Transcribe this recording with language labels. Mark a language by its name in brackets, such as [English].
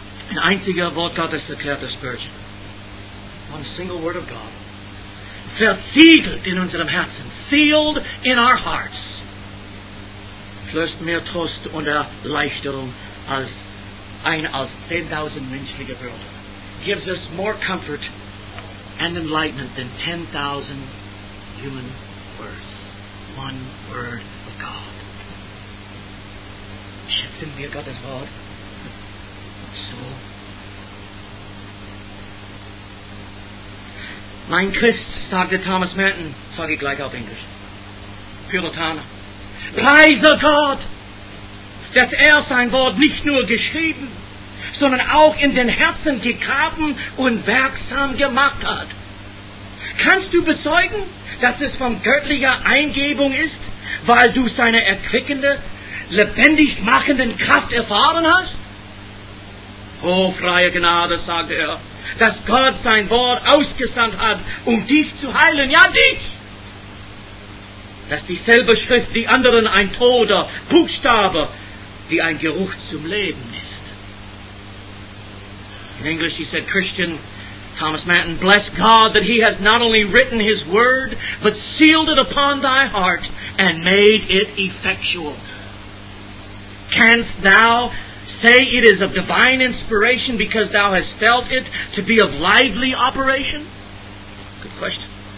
[German] Ein einziger Wort Gottes erklärt das Spurgeon. [English] One single word of God. [German] Versiegelt in unserem Herzen. [English] Sealed in our hearts. [German] Flößt mehr Trost und Erleichterung als 10,000 menschliche Wörter. [English] Gives us more comfort and enlightenment than 10,000 human words. One word of God. [German] Schätzen wir Gottes Wort? So. Mein Christ, sagte Thomas Merton, sage ich gleich auf Englisch. Puritaner. Preise Gott, dass sein Wort nicht nur geschrieben, sondern auch in den Herzen gegraben und wirksam gemacht hat. Kannst du bezeugen, dass es von göttlicher Eingebung ist, weil du seine erquickende, lebendig machenden Kraft erfahren hast? Oh, freie Gnade, sagte er, dass Gott sein Wort ausgesandt hat, um dich zu heilen. Ja, dich! Dass dieselbe Schrift die anderen ein toter Buchstabe, wie ein Geruch zum Leben ist. [English] In English, he said, Christian Thomas Merton, bless God that he has not only written his word, but sealed it upon thy heart and made it effectual. Canst thou say it is of divine inspiration because thou hast felt it to be of lively operation? Good question.